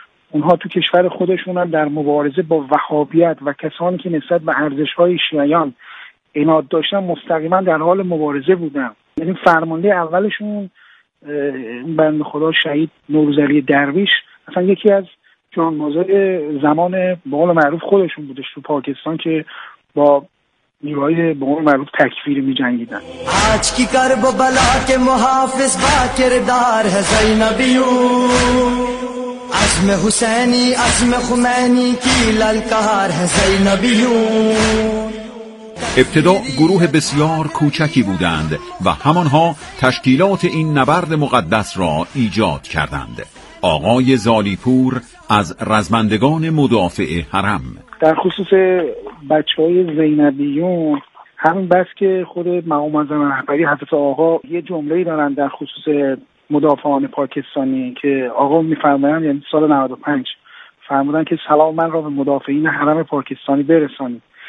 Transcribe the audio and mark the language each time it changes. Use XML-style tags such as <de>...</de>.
<fa>اونها تو کشور خودشون هم در مبارزه با وهابیت و کسانی که نسبت به ارزش‌های شیعیان عناد داشتن مستقیما در حال مبارزه بودن. یعنی فرمانده اولشون بنده خدا شهید نوروزعلی درویش اصلا یکی از جانمازای زمان به قول معروف خودشون بودش تو پاکستان که با نیروهای به قول معروف تکفیری می‌جنگیدن.</fa> <ur>آج کی کر بلا کے محافظ با کردار ہے زینبیوں عزم حسینی عزم خمینی کی للکار ہے زینبیون.</ur> <fa>ابتدا گروه بسیار کوچکی بودند و همانها تشکیلات این نبرد مقدس را ایجاد کردند. آقای زالیپور از رزمندگان مدافع حرم. در خصوص بچه های زینبیون، همین بس که خود مقام معظم رهبری حضرت آقا یه جمله‌ای دارند در خصوص مدافعان پاکستانی که آقا میفرمایند، یعنی سال 95 فرمودن که سلام من را به مدافعین حرم پاکستانی برسانید.</fa>